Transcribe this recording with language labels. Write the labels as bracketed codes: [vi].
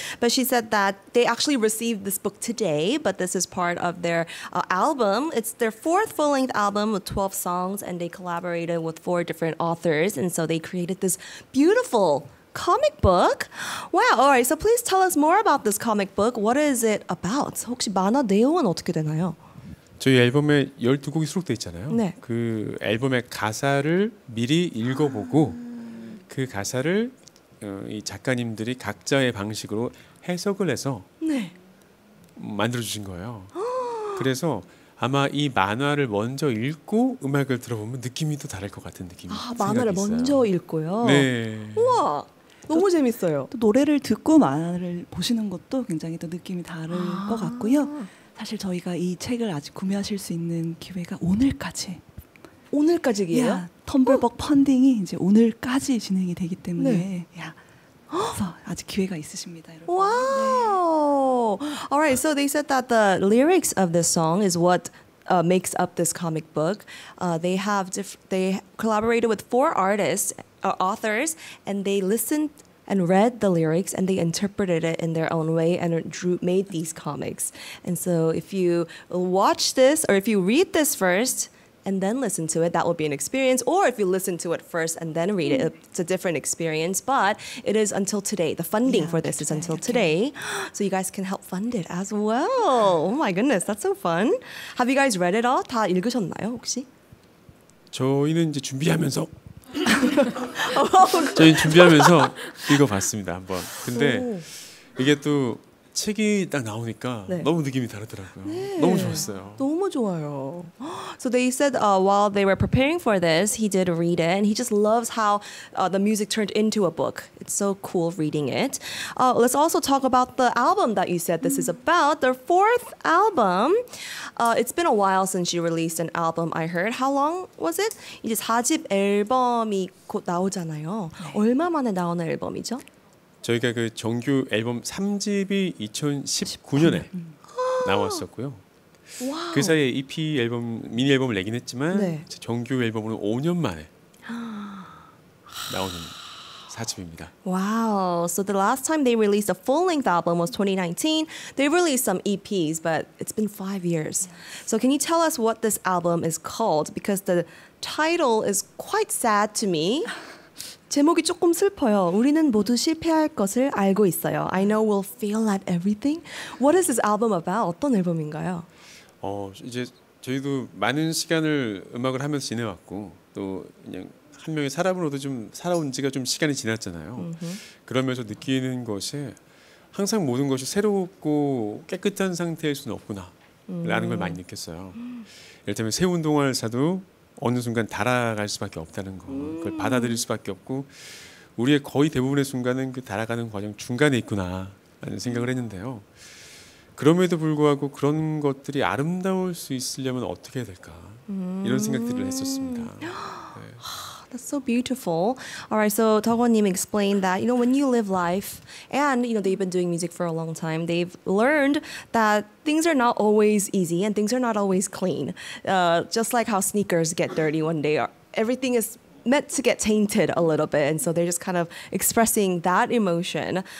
[en] But she said that they actually received this book today, but this is part of their album. It's their fourth full-length album with 12 songs, and they collaborated with four different authors. And so they created this beautiful comic book. Wow, all right, so please tell us more about this comic book. What is it about? [ko] 혹시 만화 내용은 어떻게 되나요? 저희 앨범에 12곡이 수록돼 있잖아요. 네. 그 앨범의 가사를 미리 읽어보고 그 가사를 이 작가님들이 각자의 방식으로 해석을 해서 네. 만들어주신 거예요. 그래서 아마 이 만화를 먼저 읽고 음악을 들어보면 느낌이 또 다를 것 같은 느낌이 생각이 만화를 있어요. 먼저 읽고요? 네. 우와! 너무 또, 재밌어요. 또 노래를 듣고 만화를 보시는 것도 굉장히 또 느낌이 다를 것 같고요. 사실 저희가 이 책을 아직 구매하실 수 있는 기회가 오늘까지. 오늘까지예요? [en] Yeah, [ko] 텀블벅 펀딩이 이제 오늘까지 진행이 되기 때문에 네. [en] yeah. [ko] 그래서 아직 기회가 있으십니다. 여러분. [en] Wow! [ko] 네. [en] All right, so they said that the lyrics of this song is what makes up this comic book. They have they collaborated with four artists, authors, and they listened and read the lyrics, and they interpreted it in their own way and made these comics. And so if you watch this, or if you read this first and then listen to it, that will be an experience. Or if you listen to it first and then read it, it's a different experience. But it is until today. The funding yeah, for this today. Is until okay. today. So you guys can help fund it as well. Oh my goodness, that's so fun. Have you guys read it all? [ko] 다 읽으셨나요, 혹시? 저희는 이제 준비하면서 저희 준비하면서 읽어봤습니다 한번. 근데 이게 또 책이 딱 나오니까 네. 너무 느낌이 다르더라고요. 네. 너무 좋았어요. 너무 좋아요. [en] So they said while they were preparing for this, he did read it, and he just loves how the music turned into a book. It's so cool reading it. Let's also talk about the album that you said this is about. Their fourth album. It's been a while since you released an album. I heard. How long was it? [ko] 이제 4집 앨범이 곧 나오잖아요. 네. 얼마 만에 나온 앨범이죠? 저희가 그 정규 앨범 3집이 2019년에 나왔었고요. 와우. 그 사이에 EP 앨범, 미니 앨범을 내긴 했지만 네. 정규 앨범은 5년 만에 나오는 4집입니다. [en] Wow. So the last time they released a full-length album was 2019. They released some EPs, but it's been 5 years. So can you tell us what this album is called? Because the title is quite sad to me. [ko] 제목이 조금 슬퍼요. 우리는 모두 실패할 것을 알고 있어요. [en] I know we'll fail at everything. What is this album about? [ko] 어떤 앨범인가요? 이제 저희도 많은 시간을 음악을 하면서 지내왔고 또 그냥 한 명의 사람으로도 좀 살아온 지가 좀 시간이 지났잖아요. Mm-hmm. 그러면서 느끼는 것이 항상 모든 것이 새롭고 깨끗한 상태일 수는 없구나라는 걸 많이 느꼈어요. 예를 들면 새 운동화를 사도 어느 순간 달아갈 수밖에 없다는 거, 그걸 받아들일 수밖에 없고 우리의 거의 대부분의 순간은 그 달아가는 과정 중간에 있구나 라는 생각을 했는데요. 그럼에도 불구하고 그런 것들이 아름다울 수 있으려면 어떻게 해야 될까 이런 생각들을 했었습니다. [en] 네. That's so beautiful. Alright, so 덕원님 explained that, you know, when you live life and, you know, they've been doing music for a long time, they've learned that things are not always easy and things are not always clean. Just like how sneakers get dirty one day, everything is meant to get tainted a little bit, and so they're just kind of expressing that emotion.